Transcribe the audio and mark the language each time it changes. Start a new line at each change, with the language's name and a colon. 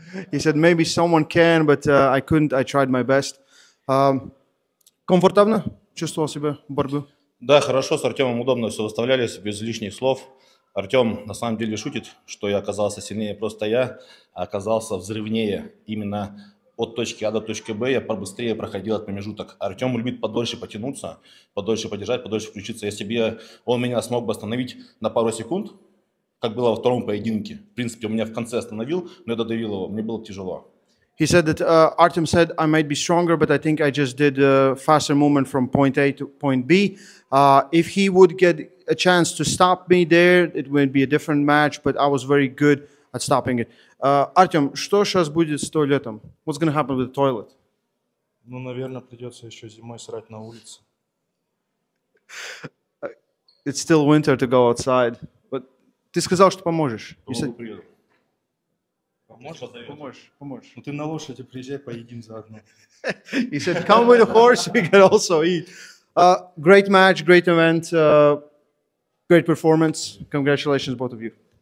English: He said, maybe someone can, but I couldn't. I tried my best.
Russian: Комфортабно чувствовал себя в борьбе? Да, хорошо. С Артемом удобно все выставлялись, без лишних слов. Артем на самом деле шутит, что я оказался сильнее. Просто я оказался взрывнее. Именно от точки А до точки Б я побыстрее проходил от промежуток. Артем любит подольше потянуться, подольше подержать, подольше включиться. Если бы он меня смог бы остановить на пару секунд, как было во втором поединке. В принципе, он меня в конце остановил, но я додавил его. Мне было тяжело.
English: He said that Artem said I might be stronger, but I think I just did a faster movement from point A to point B. If he would get a chance to stop me there, it would be a different match, but I was very good at stopping it.
Russian: Artem, что сейчас будет с туалетом?
English: What's going to happen with the toilet?
Russian: Ну, наверное, придется еще зимой срать на улице.
English: It's still winter to go outside, but
Russian: ты сказал, что поможешь.
English: You said...
Russian: Поможешь? Ну ты на лошади приезжай, поедим заодно.
English: He said, come with a horse, we can also eat. Great match, great event, great performance. Congratulations, both of you.